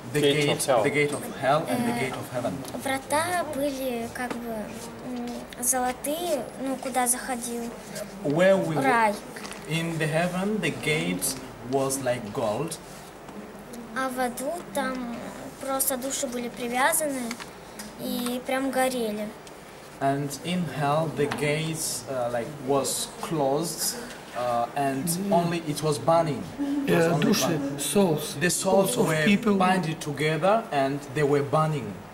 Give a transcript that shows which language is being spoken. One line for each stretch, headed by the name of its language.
English: The gate of hell and the gate of heaven.
Russian: Врата были как бы золотые, ну куда заходил рай.
English: In the heaven, the gate was like gold.
Russian: А в аду там просто души были привязаны и прям горели.
English: And in hell, the gates like was closed, and only it was burning.
Russian: Души,
English: souls. The souls were binded together and they were burning.